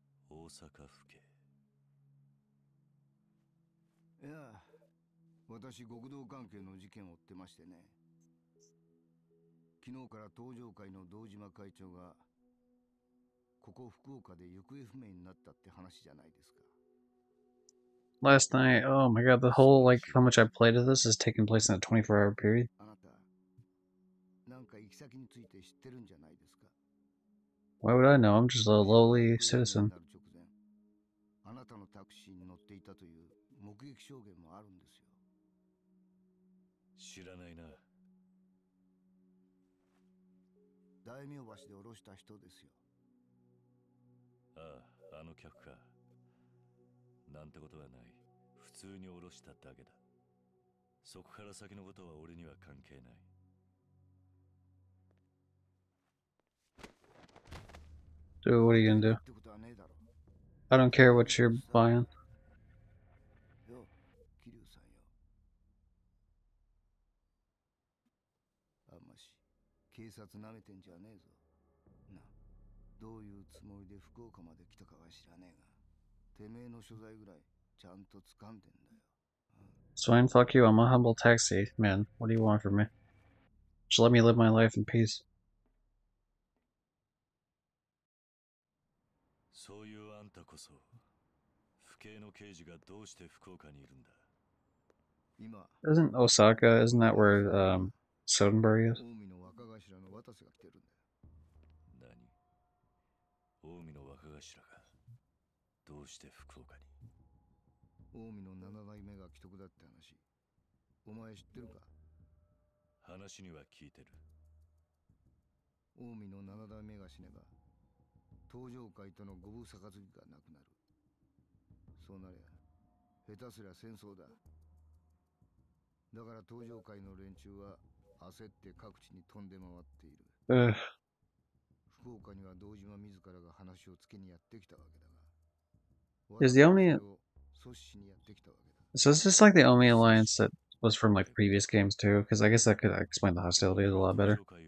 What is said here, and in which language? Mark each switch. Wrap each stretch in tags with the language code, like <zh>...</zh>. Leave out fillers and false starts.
<ja>大阪府警。いや、私、極道関係の事件を追ってましてね。昨日から東城会の堂島会長がここ福岡で行方不明になったって話じゃないですか。</ja> <en>Last night, oh my god, the whole like how much I played of this is taking place in a 24-hour period.</en> <ja>あなた、なんか行き先について知ってるんじゃないですか。</ja> <en>Why would I know? I'm just a lowly citizen.</en> <ja>あなたのタクシーに乗っていたという目撃証言もあるんですよ。知らないな。大名橋で降ろした人ですよ。あの客か。なんてことはない。普通に降ろしただけだ。そこから先のことは俺には関係ない。</ja> <en>So what are you gonna do?</en> <ja>ってことはねえだろ。</ja> <en>I don't care what you're buying.</en> <ja>よ、キリュウさんよ。あんまし、警察なめてんじゃねえぞ。どういうつもりで福岡まで来たかは知らねえが、てめえの所在ぐらいちゃんと掴んでんだよ。</ja> <en>Swine, fuck you, I'm a humble taxi man. What do you want from me? Just let me live my life in peace.</en> <ja>そういうあんたこそ、府警の刑事がどうして福岡にいるんだ。今、</ja> <en>Isn't Osaka, isn't that where Sodenberg is?</en> <ja>近江の若頭の渡瀬が来てるんだ。近江の若頭がどうして福岡に。近江の7代目が危篤だって話、お前知ってるか。話には聞いてる。近江の7代目が死ねば、東城会との五分杯がなくなる。そうなりゃ下手すりゃ戦争だ。だから東城会の連中は焦って各地に飛んで回っている。福岡には堂島自らが話をつけにやってきたわけだが、</ja> <en>Is the only</en> <ja>私を阻止しにやってきたわけだ。</ja> <en>So is this like the only alliance that was from like previous games too? Because I guess that could explain the hostilities a lot better.</en>